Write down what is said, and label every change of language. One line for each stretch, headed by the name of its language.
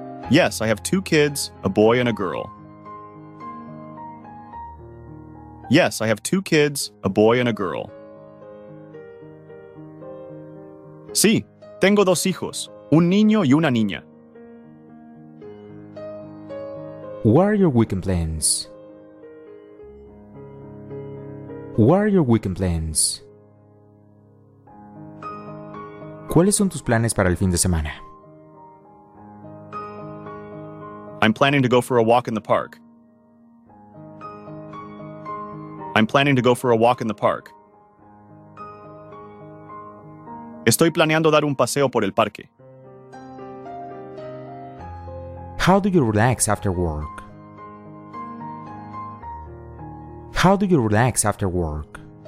English: Yes, I have two kids, a boy and a girl. Yes, I have two kids, a boy and a girl.
Spanish: Sí, tengo dos hijos, un niño y una niña.
English: What are your weekend plans? What are your weekend plans?
Spanish: ¿Cuáles son tus planes para el fin de semana?
English: I'm planning to go for a walk in the park. I'm planning to go for a walk in the park.
Spanish: Estoy planeando dar un paseo por el parque.
English: How do you relax after work? How do you relax after work?